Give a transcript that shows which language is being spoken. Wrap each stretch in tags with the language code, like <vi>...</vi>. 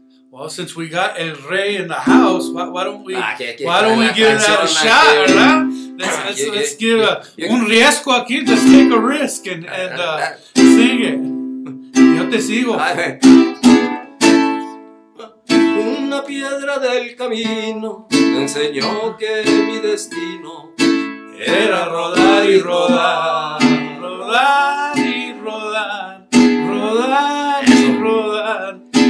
<en>Well, since we got El Rey in the house, why don't we give that a shot, right? Let's give</en> <es>un riesgo aquí.</es> <en>Let's take a risk and sing it.</en> <es>Yo te sigo. Una piedra del camino me enseñó que mi destino era rodar y rodar, rodar y rodar, rodar y rodar.</es>